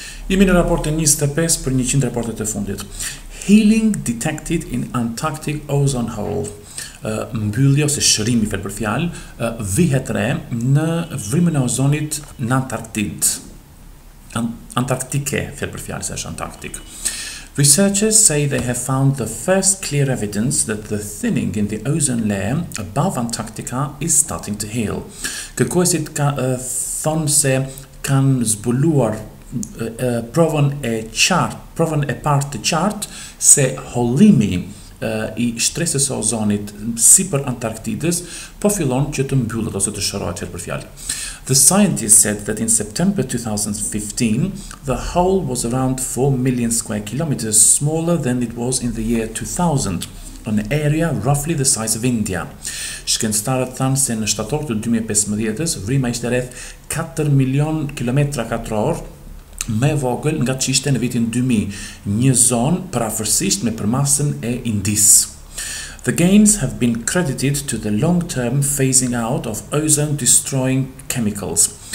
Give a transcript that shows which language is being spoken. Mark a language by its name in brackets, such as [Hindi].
[Albanian] Jemi në raportin 25 për 100 raportet e fundit. [English] Healing detected in Antarctic ozone hole. [Albanian] Mbyllje ose shërim I fjalë për fjalë, vihet re në vrimën e ozonit në Antarktidë. Antarktike, fjalë për fjalë, se është Antarktik. [English] Researchers say they have found the first clear evidence that the thinning in the ozone layer above Antarctica is starting to heal. [Albanian] Kërkuesit thonë se kanë zbuluar provën e partë të qartë se hollimi I shtresës së ozonit sipër Antarktidës po fillon që të mbyllet ose të shërohet fjalë për fjalë. [English] The scientists said that in September 2015, the hole was around 4 million square kilometers smaller than it was in the year 2000, an area roughly the size of India. [Albanian] Shkencëtarët thanë se në shtator të 2015-s vrima ishte rreth 4 milion kilometra katror, më vogël nga që ishte në vitin 2000, një zonë parafërsisht me përmasën e Indisë. [English] The gains have been credited to the long-term phasing out of ozone-destroying chemicals.